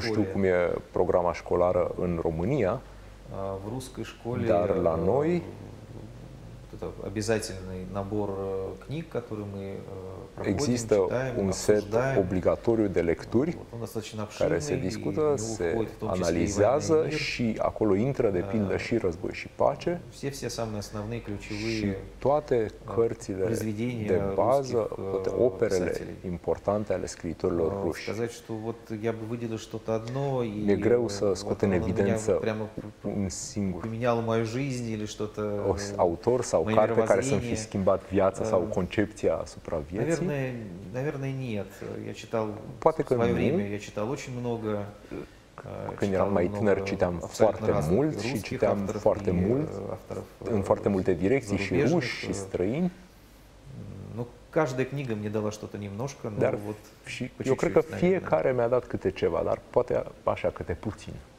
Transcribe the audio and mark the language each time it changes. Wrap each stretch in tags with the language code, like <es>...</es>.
<ro>Nu știu cum e programa școlară în România.</ro> <ru>В русской школе,</ru> <ro>dar la noi,</ro> <ru>это обязательный набор книг, которые мы проходим,</ru> <ro>există</ro> <ru>читаем,</ru> <ro>un set obligatoriu de lecturi care se discută, se analizează și acolo intră de pildă și Război și Pace.</ro> <ru>Все самые основные ключевые</ru> <ro>și toate cărțile de bază, toate operele importante ale scriitorilor ruși.</ro> <ru>Сказать, что вот я бы выделил что-то одно и</ru> <ro>мне greu să scot în evidență un singur.</ro> <ru>Поменял мою жизнь или что-то</ru> <ro>autor sau o carte care să-mi fi schimbat viața sau concepția asupra vieții?</ro> <ru>Наверное, нет. Я читал</ru> <ro>Poate că nu.</ro> <ru>Я читал очень много.</ru> <ro>Când eram mai tânăr, citeam foarte mult și citeam foarte mult în foarte multe direcții și ruși și străini.</ro> <ru>Ну, каждая книга мне дала что-то немножко, но dar вот</ru> <ro>și eu cred că fiecare mi-a dat câte ceva, dar poate așa câte puțin.</ro>